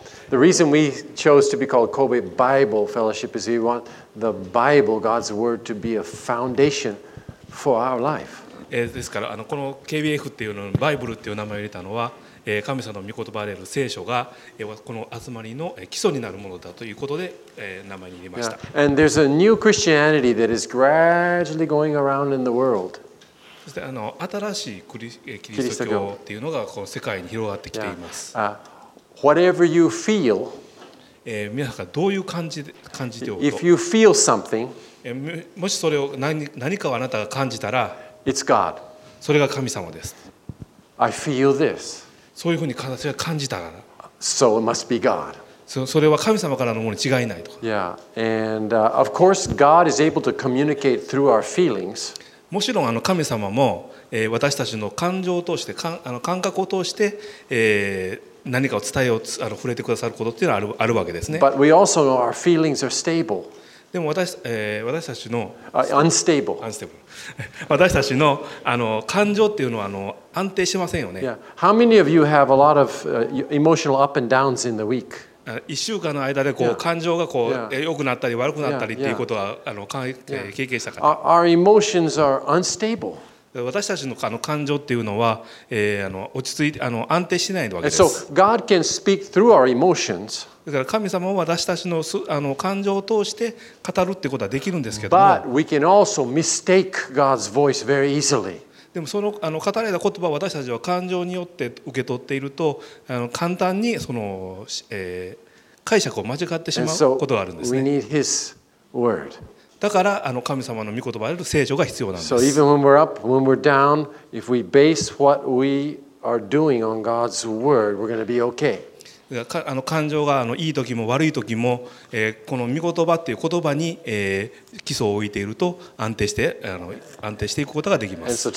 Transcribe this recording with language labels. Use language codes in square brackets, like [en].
[en] The reason we chose to be called Kobe Bible Fellowship is we want the Bible, God's Word, to be a foundation for our life. [ja] ですから、この KBF っていうのをバイブルっていう名前を入れたのは、神様の御言葉である聖書がこの集まりの基礎になるものだということで名前に入れました。 [en] Yeah. And there's a new Christianity that is gradually going around in the world. [ja] そして新しいキリスト教っていうのがこの世界に広がってきています。 [en] Yeah. Whatever you feel, [ja] 皆さんがどういう感じておると、 [en] If you feel something, [ja] もしそれを何かをあなたが感じたら、 [en] It's God. [ja] それが神様です。 [en] I feel this. [ja] そういうふうに私は感じたから。 [en] So it must be God. [ja] それは神様からのものに違いないとか。 [en] Yeah. And, of course, God is able to communicate through our feelings. [ja] もちろん神様も私たちの感情を通して感覚を通して何かを伝えよう触れてくださることっていうのはあるわけですね。 [en] But we also know our feelings are stable. [ja] でも私たちの [en] unstable [ja] 私たち の, 感情っていうのは安定しませんよね。 [en] Yeah. How many of you have a lot of emotional up and downs in the week? [ja] 1週間の間でこう感情がこう良くなったり悪くなったりっていうことは経験したから。 [en] Our emotions are unstable. [ja] 私たちの感情っていうのは落ち着いて安定しないわけです。 [en] And so God can speak through our emotions. [ja] だから神様は私たち の, 感情を通して語るっていうことはできるんですけども [en] 、But we can also mistake God's voice very easily. [ja] でもその語られた言葉を私たちは感情によって受け取っていると簡単にその、解釈を間違ってしまうことがあるんですね。 [en] So、we need his word. [ja] だから神様の御言葉である聖書が必要なんです。 [en] So even when we're up, when we're down, if we base what we are doing on God's word, we're going to be okay. [ja] 感情がいい時も悪い時もこの御言葉っていう言葉に基礎を置いていると安定していくことができます。